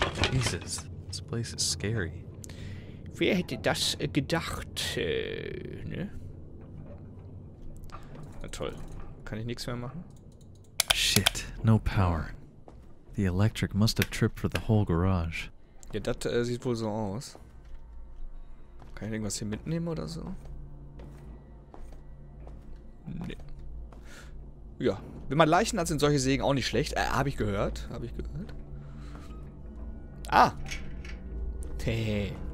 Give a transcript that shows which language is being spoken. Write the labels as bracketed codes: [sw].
[en] Jesus, this place is scary. [de] Wer hätte das gedacht, ne? Na toll. Kann ich nichts mehr machen? [en] Shit, no power. The electric must have tripped for the whole garage. [de] Ja, das sieht wohl so aus. Kann ich irgendwas hier mitnehmen oder so? Nee. Ja, wenn man Leichen hat, sind solche Sägen auch nicht schlecht. Habe ich gehört. Ah! Hey.